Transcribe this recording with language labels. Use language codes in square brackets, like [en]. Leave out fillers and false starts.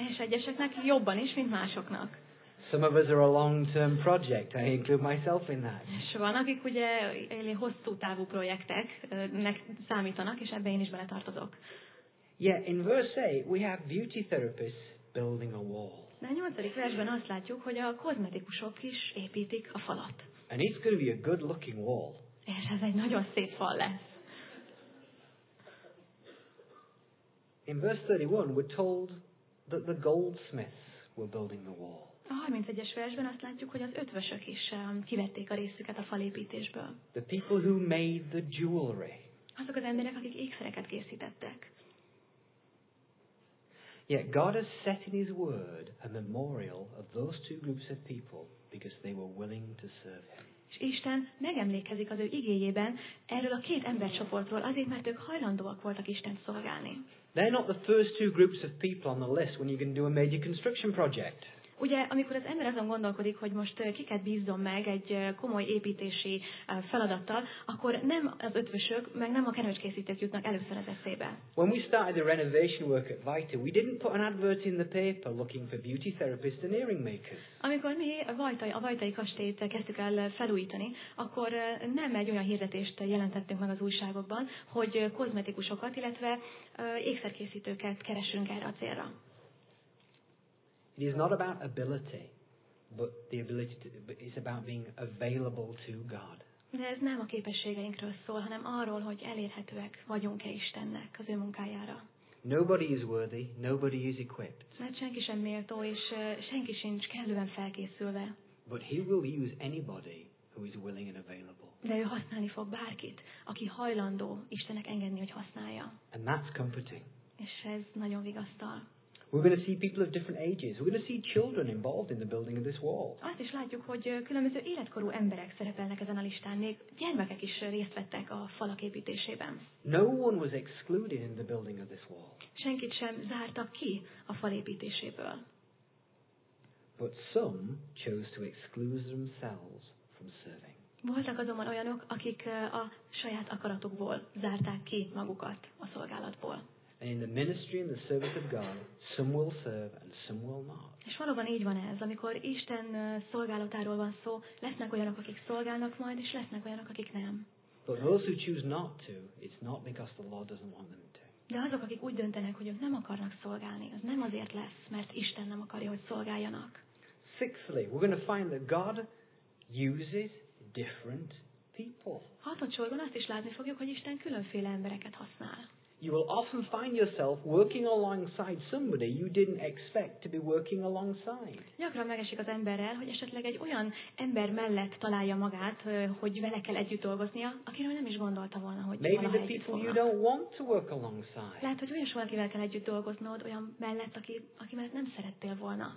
[hu] És egyeseknek jobban is, mint másoknak. [en] Some of us are a long-term project. I include myself in that. [hu] És van, akik ugye hosszú távú projekteknek számítanak, és ebbe én is beletartozok. [en] Yeah, in verse 8, we have beauty therapists building a wall. [hu] De a nyolcadik versben azt látjuk, hogy a kozmetikusok is építik a falat. [en] And it's going to be a good-looking wall. [hu] És ez egy nagyon szép fal lesz. [en] In verse 31, we're told that the goldsmiths were building the wall. [hu] A 31-es versben azt látjuk, hogy az ötvösök is kivették a részüket a falépítésből. [en] The people who made the jewelry. [hu] Azok az emberek, akik ékszereket készítettek. [en] Yet God has set in His Word a memorial of those two groups of people because they were willing to serve Him. [hu] És Isten megemlékezik az ő igéjében erről a két embercsoportról, azért mert ők hajlandóak voltak Istent szolgálni. [en] They're not the first two groups of people on the list when you can do a major construction project. [hu] Ugye, amikor az ember azon gondolkodik, hogy most kiket bízzon meg egy komoly építési feladattal, akkor nem az ötvösök, meg nem a kenőcskészítők jutnak először az eszébe. [en] When we started the renovation work at Vita, we didn't put an advert in the paper looking for beauty therapists and earring makers. [hu] Amikor mi a Vajtai kastélyt kezdtük el felújítani, akkor nem egy olyan hirdetést jelentettünk meg az újságokban, hogy kozmetikusokat, illetve ékszerkészítőket keresünk erre a célra. [en] It is not about ability, but the ability to, but it's about being available to God. [hu] De ez nem a képességeinkről szól, hanem arról, hogy elérhetőek vagyunk-e Istennek az ő munkájára. [en] Nobody is worthy, nobody is equipped. [hu] Mert senki sem méltó, és senki sincs kellően felkészülve. [en] But He will use anybody who is willing and available. [hu] De ő használni fog bárkit, aki hajlandó Istennek engedni, hogy használja. [en] And that's comforting. [hu] És ez nagyon vigasztal. [en] We're going to see people of different ages. We're going to see children involved in the building of this wall. [hu] Azt is látjuk, hogy különböző életkorú emberek szerepelnek ezen a listán, még gyermekek is részt vettek a falak építésében. [en] No one was excluded in the building of this wall. [hu] Senkit sem zártak ki a fal építéséből. [en] But some chose to exclude themselves from serving. [hu] Voltak azonban olyanok, akik a saját akaratukból zárták ki magukat a szolgálatból. [en] And in the ministry and the service of God, some will serve and some will not. [hu] És valóban így van ez, amikor Isten szolgálatáról van szó, lesznek olyanok, akik szolgálnak majd, és lesznek olyanok, akik nem. [en] But those who choose not to, it's not because the Lord doesn't want them to. [hu] De azok, akik úgy döntenek, hogy ők nem akarnak szolgálni, az nem azért lesz, mert Isten nem akarja, hogy szolgáljanak. [en] Sixthly, we're going to find that God uses different people. [hu] Hatodsorban azt is látni fogjuk, hogy Isten különféle embereket használ. [en] You will often find yourself working alongside somebody you didn't expect to be working alongside. [hu] Gyakran megesik az emberrel, hogy esetleg egy olyan ember mellett találja magát, hogy vele kell együtt dolgoznia, akiről nem is gondolta volna, hogy [en] maybe the people you don't want to work alongside. [hu] Lehet, hogy olyan valakivel kell együtt dolgoznod, olyan mellett, aki mellett nem szerettél volna.